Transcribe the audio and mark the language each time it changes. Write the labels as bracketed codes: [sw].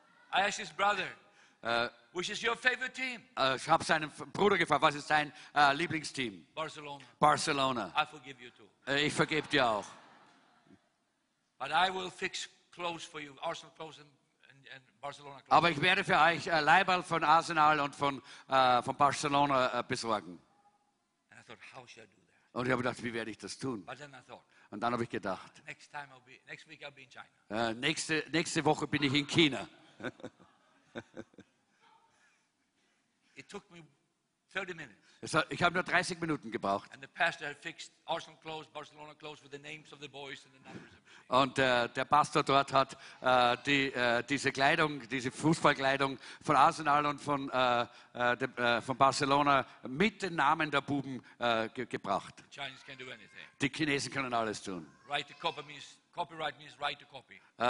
[en] I asked his brother, which is your favorite team? [de] Ich habe seinen Bruder gefragt, was ist dein Lieblingsteam? Barcelona. Barcelona. [en] I forgive you too. [de] Ich vergebe dir auch. [en] But I will fix clothes for you, Arsenal clothes and Barcelona clothes. [de] Aber ich werde für euch Leiberl von Arsenal und von Barcelona besorgen. [en] And I thought, how should I do that? [de] Und ich habe gedacht, wie werde ich das tun? [en] But then I thought, [de] und dann habe ich gedacht, [en] next time I'll be, next week I'll be in China. [de] Nächste Woche bin ich in China. [en] It took me 30 minutes. [de] Ich habe nur 30 Minuten gebraucht. [en] And the pastor had fixed Arsenal clothes, Barcelona clothes with the names of the boys and the numbers. [de] Und der Pastor dort hat diese Kleidung, diese Fußballkleidung von Arsenal und von Barcelona mit den Namen der Buben gebracht. [en] The Chinese can do anything. [de] Die Chinesen können alles tun. [en] Write to copy means, copyright means right to copy.